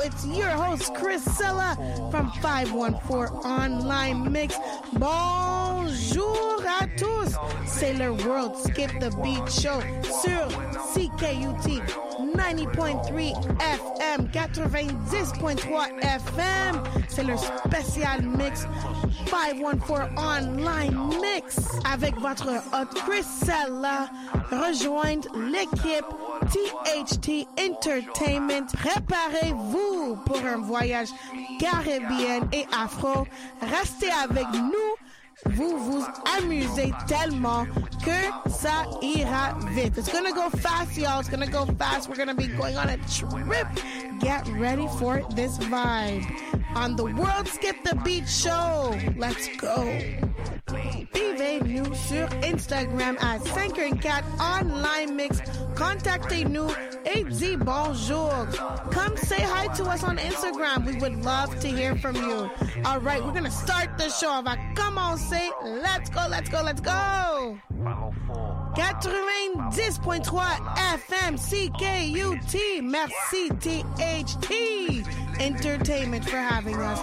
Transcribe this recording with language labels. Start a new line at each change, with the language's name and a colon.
English: It's your host, Chrisella, from 514 Online Mix.
French: Bonjour à tous. C'est le World Skip the Beat Show sur CKUT 90.3 FM, 90.3 FM. C'est le spécial mix 514 online mix avec votre hôte Chrisella. Rejoignez l'équipe THT Entertainment. Préparez-vous pour un voyage caribéen et afro. Restez avec nous. Vous vous amusez tellement que ça ira vite.
English: It's gonna go fast, y'all. It's gonna go fast. We're gonna be going on a trip. Get ready for this vibe. On the World Skip the Beat Show. Let's go.
French: Suivez-nous sur Instagram at 514 Online Mix. Contactez-nous et dis bonjour.
English: Come say hi to us on Instagram. We would love to hear from you. All right, we're going to start the show. Come on, say let's go, let's go, let's go. 90.3 FM CKUT.
French: Merci
English: THT Entertainment for having us.